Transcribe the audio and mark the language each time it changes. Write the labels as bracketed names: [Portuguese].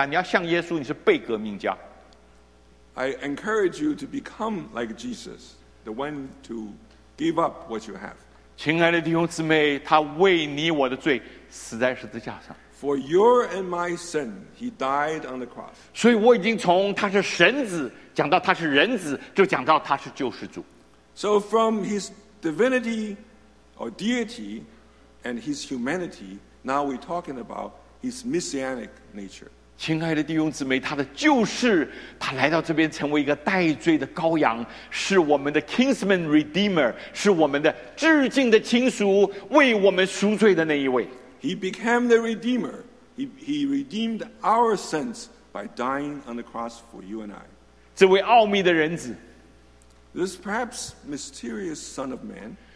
[Chinese] 各位，你有哪些是革命家？你不要做革命家，你要像耶稣，你是被革命家。 [English] I encourage you to become like Jesus, the one to give up what you have. [Chinese] 亲爱的弟兄姊妹,他为你我的罪死在十字架上。 [English] For your and my sin, he died on the cross. [Chinese] 所以我已经从他是神子,讲到他是人子,就讲到他是救世主。 [English] So from his divinity or deity and his humanity, now we're talking about his messianic nature. [Chinese] 亲爱的弟兄姊妹,他的救世,他来到这边成为一个代罪的羔羊,是我们的 kinsman redeemer,是我们的至敬的亲属,为我们赎罪的那一位。 [English] He became the redeemer. He redeemed our sins by dying on the cross for you and I. [Chinese] 这位奥秘的人子, [English] this perhaps mysterious son of man,